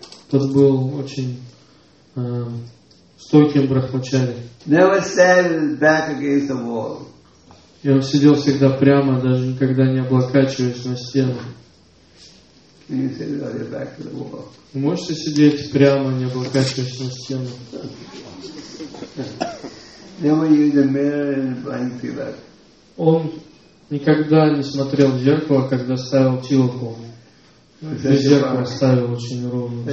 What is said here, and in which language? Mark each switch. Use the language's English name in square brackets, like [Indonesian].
[Russian] Тот был очень стойким брахмачари. [English] Never sat with his back against the wall. [Russian] И он сидел всегда прямо, даже никогда не облокачиваясь на стену. [English] Can you sit with your back to the wall? [Russian] Вы можете сидеть прямо, не облокачиваясь на стену. [English] Never use a mirror and blind to that. [Russian] Он никогда не смотрел в зеркало, когда ставил тилаку. Без зеркала ставил очень ровно